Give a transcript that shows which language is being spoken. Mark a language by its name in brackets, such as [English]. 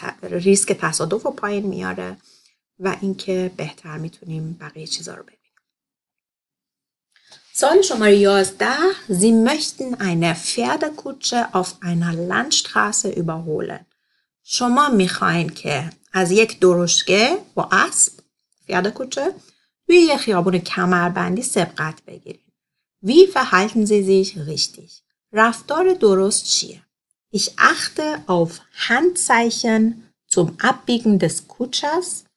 [Persian] ریسک تصادف رو پایین میاره و اینکه بهتر میتونیم بقیه چیزا رو ببینیم. سوال شماره 11. [German] Sie möchten eine Pferdekutsche auf einer Landstraße überholen. [Persian] شما میخواین که از یک درشگه با اسب Pferdekutsche توی یه خیابون کمربندی سبقت بگیرین. [German] Wie verhalten Sie sich richtig? [Persian] رفتار درست چیه؟ [German] Ich achte auf Handzeichen zum Abbiegen des Kutschers.